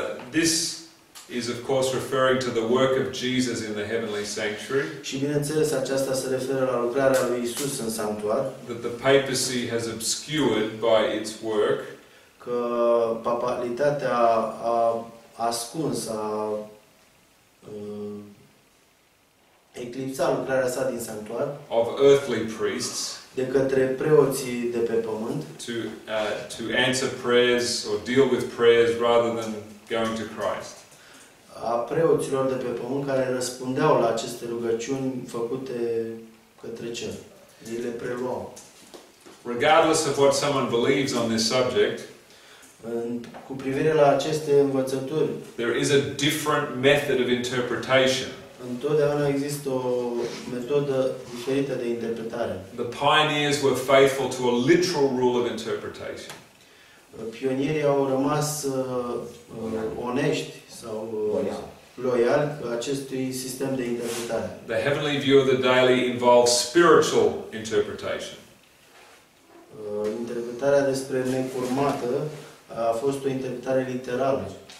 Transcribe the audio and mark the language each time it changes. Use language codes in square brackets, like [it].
[en] This is of course referring to the work of Jesus in the heavenly sanctuary. [ro] Și bineînțeles, aceasta se referă la lucrarea lui Isus în sanctuar. [en] That the papacy has obscured by its work. [ro] Că papalitatea a ascuns, a eclipsat lucrarea sa din sanctuar. [en] Of earthly priests. [ro] De către preoții de pe pământ. [en] To answer prayers or deal with prayers rather than going to Christ. [ro] A preoților de pe pământ care răspundeau la aceste rugăciuni făcute către cer. Ei le preluau. [en] Regardless of what someone believes on this subject, [ro] cu privire la aceste învățături, [en] there is a different method of interpretation. [ro] Întotdeauna există o metodă diferită de interpretare. [en] The pioneers were faithful to a literal rule of interpretation. [ro] Pionierii au rămas onești sau loiali cu acestui sistem de interpretare. [en] The heavenly view of the daily involves spiritual interpretation. [ro] Interpretarea despre necurmată a fost o interpretare literală.